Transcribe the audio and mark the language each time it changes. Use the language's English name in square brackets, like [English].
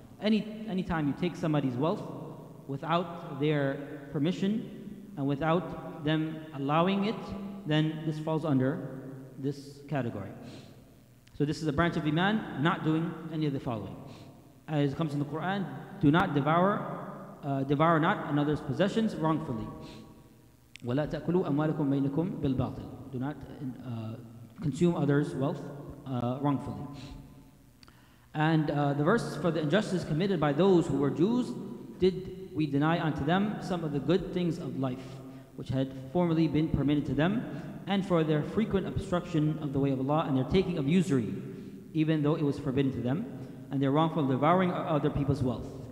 [English] Anytime you take somebody's wealth without their permission and without them allowing it, then this falls under this category. So this is a branch of iman, not doing any of the following. As it comes in the Quran, do not devour not another's possessions wrongfully. [Arabic] ولا تأكلوا أموالكم بينكم بالباطل. [English] Do not consume others' wealth wrongfully. And the verse for the injustice committed by those who were Jews, did we deny unto them some of the good things of life which had formerly been permitted to them, and for their frequent obstruction of the way of Allah and their taking of usury, even though it was forbidden to them, and their wrongful devouring of other people's wealth.